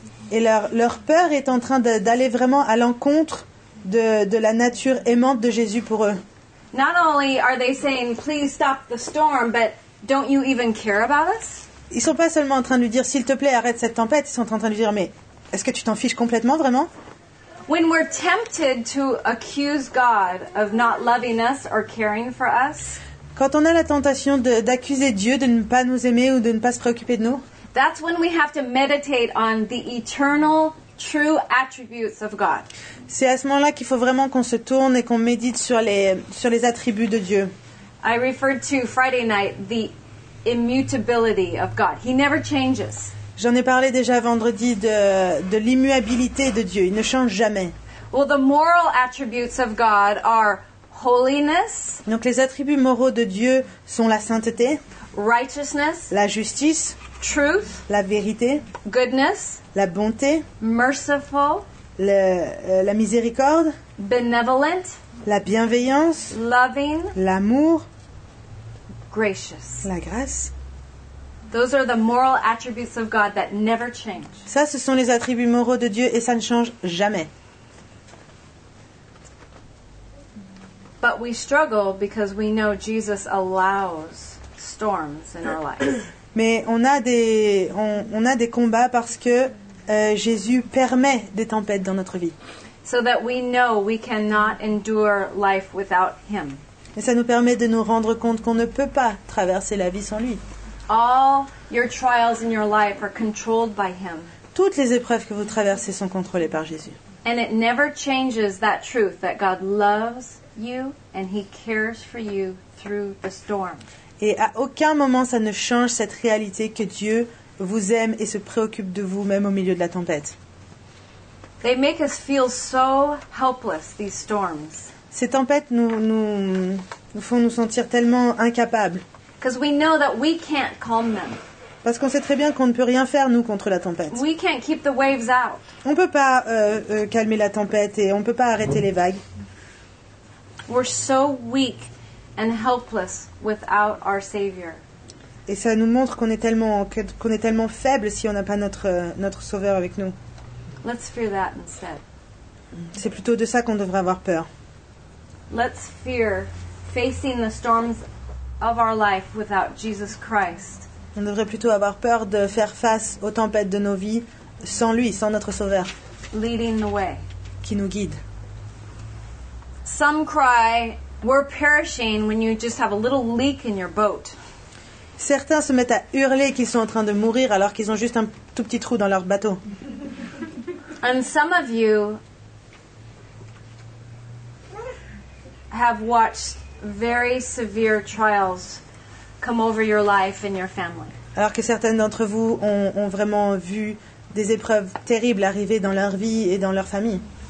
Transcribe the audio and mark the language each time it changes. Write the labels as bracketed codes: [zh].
[fr] Et leur peur est en train d'aller vraiment à l'encontre de la nature aimante de Jésus pour eux. [en] Not only are they saying, please stop the storm, but don't you even care about us? [fr] Ils sont pas seulement en train de lui dire, s'il te plaît, arrête cette tempête. Ils sont en train de lui dire, mais est-ce que tu t'en fiches complètement, vraiment? [en] When we're tempted to accuse God of not loving us or caring for us, [fr] quand on a la tentation d'accuser Dieu de ne pas nous aimer ou de ne pas se préoccuper de nous, [en] that's when we have to meditate on the eternal true attributes of God. [fr] C'est à ce moment-là qu'il faut vraiment qu'on se tourne et qu'on médite sur les attributs de Dieu. [en] I referred to Friday night the immutability of God. He never changes. [fr] J'en ai parlé déjà vendredi de l'immuabilité de Dieu. Il ne change jamais. [en] Well, the moral attributes of God are holiness. [fr] Donc les attributs moraux de Dieu sont la sainteté, [en] righteousness, [fr] la justice, [en] truth, [fr] la vérité, [en] goodness, [fr] la bonté, [en] merciful, [fr] la miséricorde, [en] benevolent, [fr] la bienveillance, [en] loving, [fr] l'amour, [en] gracious, [fr] la grâce. [en] Those are the moral attributes of God that never change. [fr] Ça, ce sont les attributs moraux de Dieu et ça ne change jamais. [en] But we struggle because we know Jesus allows storms in our lives. [fr] Mais on a des combats parce que Jésus permet des tempêtes dans notre vie. [en] So that we know we cannot endure life without him. [fr] Et ça nous permet de nous rendre compte qu'on ne peut pas traverser la vie sans lui. [en] All your trials in your life are controlled by him. [fr] Toutes les épreuves que vous traversez sont contrôlées par Jésus. [en] And it never changes that truth that God loves you and he cares for you through the storm. [fr] Et à aucun moment ça ne change cette réalité que Dieu vous aime et se préoccupe de vous même au milieu de la tempête. [en] They make us feel so helpless, these storms. [fr] Ces tempêtes nous font nous sentir tellement incapables. [en] Because we know that we can't calm them. [fr] Parce qu'on sait très bien qu'on ne peut rien faire, nous, contre la tempête. [en] We can't keep the waves out. [fr] On ne peut pas calmer la tempête et on ne peut pas arrêter les vagues. [en] We're so weak and helpless without our Savior. [fr] Et ça nous montre qu'on est tellement faible si on n'a pas notre Sauveur avec nous. [en] Let's fear that instead. [fr] C'est plutôt de ça qu'on devrait avoir peur. [en] Let's fear facing the storms of our life without Jesus Christ. [fr] On devrait plutôt avoir peur de faire face aux tempêtes de nos vies sans lui, sans notre Sauveur. [en] Leading the way. [fr] Qui nous guide. [en] Some cry, we're perishing when you just have a little leak in your boat. [fr] Certains se mettent à hurler qu'ils sont en train de mourir alors qu'ils ont juste un tout petit trou dans leur bateau. [en] And some of you have watched very severe trials come over your life and your family. [fr] Alors que certaines d'entre vous ont vraiment vu des épreuves terribles arriver dans leur vie et dans leur famille.